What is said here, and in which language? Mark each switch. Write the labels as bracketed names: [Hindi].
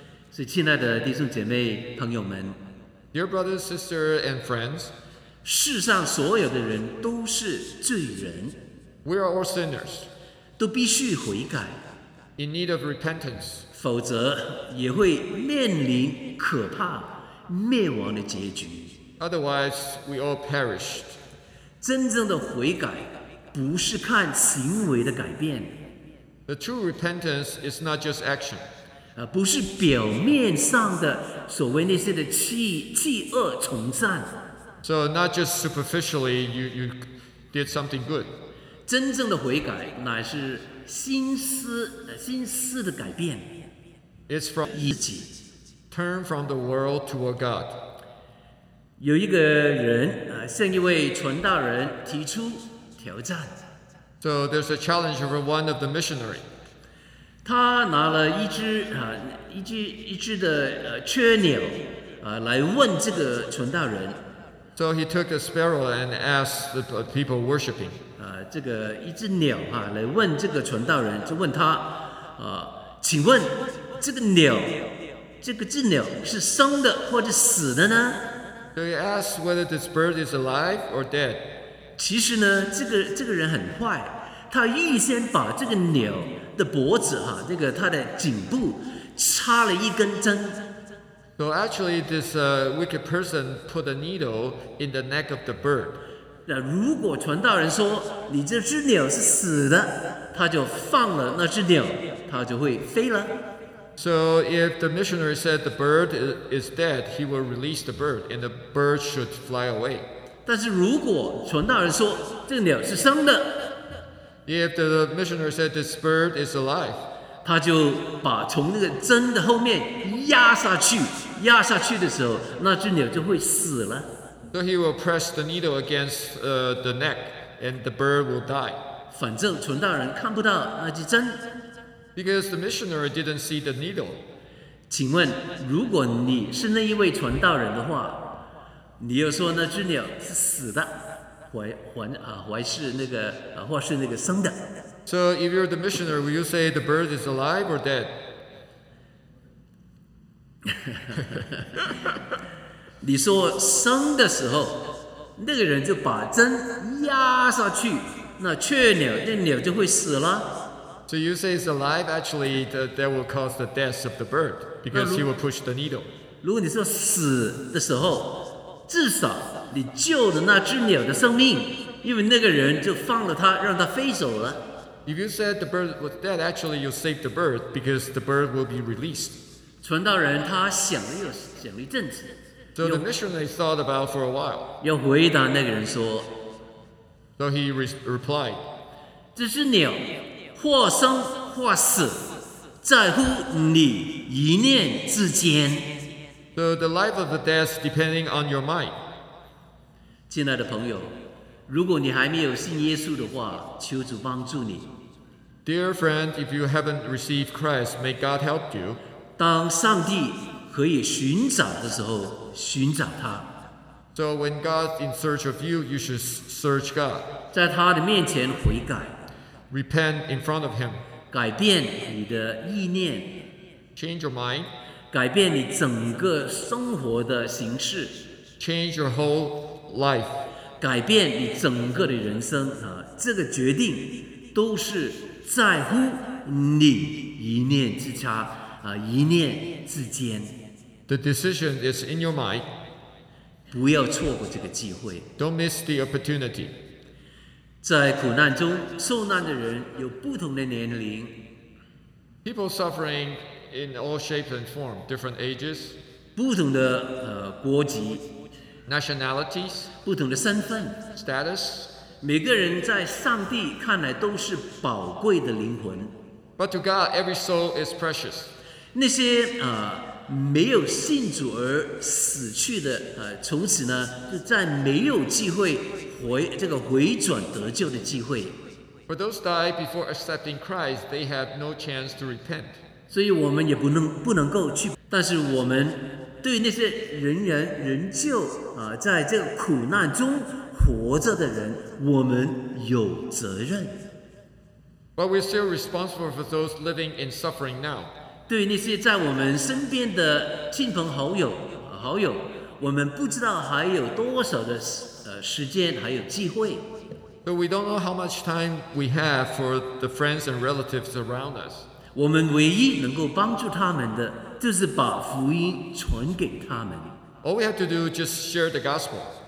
[Chinese] 所以，亲爱的弟兄姐妹、朋友们 [English] ，Dear brothers, sisters, and friends, [Chinese] 世上所有的人都是罪人 [English] ，We are all sinners, [Chinese] 都必须悔改 [English] ，In need of repentance, [Chinese] 否则也会面临可怕灭亡的结局 [English] ，Otherwise, we all perished. [Chinese] 真正的悔改不是看行为的改变 [English] ，The true repentance is not just action. [Chinese] 不是表面上的所谓那些的弃恶从善。 [English] So not just superficially you did something good. [Chinese] 真正的悔改乃是心思的改变。 [English] It's from [Chinese] 自己。 [English] Turn from the world toward God. [Chinese] 有一个人向一位传道人提出挑战。 [English] So there's a challenge for one of the missionary. [Chinese] 他拿了一只的雀鸟来问这个传道人。 [English] So he took a sparrow and asked the people worshiping. [Chinese] 这个一只鸟来问这个传道人，就问他请问这只鸟是生的或者死的呢 [English] ？So he asked whether this bird is alive or dead. [Chinese] 其实呢，这个人很坏，他预先把这个鸟。的脖子这个他的颈部插了一根针。 [English] So actually, this wicked person put a needle in the neck of the bird. [Chinese] 那如果传道人说你这只鸟是死的，他就放了那只鸟，他就会飞了。 [English] So if the missionary said the bird is dead, he will release the bird, and the bird should fly away. [Chinese] 但是如果传道人说这鸟是生的。 [English] If the missionary said this bird is alive, [Chinese] 他就把从那个针的后面压下去的时候，那只鸟就会死了。 [English] So he will press the needle against the neck, and the bird will die. [Chinese] 反正传道人看不到那只针。 [English] Because the missionary didn't see the needle. [Chinese] 请问，如果你是那一位传道人的话，你又说那只鸟是死的？或是那个生的。 [English] So if you're the missionary, will you say the bird is alive or dead? [Chinese] 你说生的时候，那个人就把针压下去，那雀鸟那鸟就会死了。 [English] So you say it's alive, actually that will cause the death of the bird because he will push the needle. [Chinese] 如果你说死的时候，至少你救了那只鸟的生命，因为那个人就放了它，让它飞走了。 [English] If you said the bird was dead, actually you saved the bird because the bird will be released. [Chinese] 传道人他想了一阵子。 [English] So the missionary thought about for a while. [Chinese] 要回答那个人说。 [English] So he replied. [Chinese] 这只鸟或生或死，在乎你一念之间。 [English] So the life of the death depending on your mind. [Chinese] 亲爱的朋友，如果你还没有信耶稣的话，求主帮助你。 [English] Dear friend, if you haven't received Christ, may God help you. [Chinese] 当上帝可以寻找的时候，寻找他。 [English] So when God is in search of you, you should search God. [Chinese] 在他的面前悔改。 [English] Repent in front of him. [Chinese] 改变你的意念。 [English] Change your mind. [Chinese] 改变你整个生活的形式。 [English] Change your whole life. [Chinese] 改变你整个的人生、啊、这个决定都是在乎你一念之差、啊、一念之间。 [English] The decision is in your mind. [Chinese] 不要错过这个机会。 [English] Don't miss the opportunity. [Chinese] 在苦难中，受难的人有不同的年龄。 [English] People suffering in all shapes and forms, different ages. [Chinese] 不同的、国籍。 [English] Nationalities, [Chinese] 不同的身份 [English] status, [Chinese] 每个人在上帝看来都是宝贵的灵魂 [English] but to God, every soul is precious. [Chinese] 那些、没有信主而死去的、从此呢就再没有机会 回转得救的机会 [English] For those die before accepting Christ, they have no chance to repent. [Chinese] 所以我们也不能够去但是我们对那些仍旧、在这个苦难中活着的人，我们有责任。 [English] But we're still responsible for those living in suffering now. [Chinese] 对那些在我们身边的亲朋好友，我们不知道还有多少的时间，还有机会。 [English] But we don't know how much time we have for the friends and relatives around us. [Chinese] 我们唯一能够帮助他们的。就是把福音传给他们。 [English] All we have to do is just share the gospel.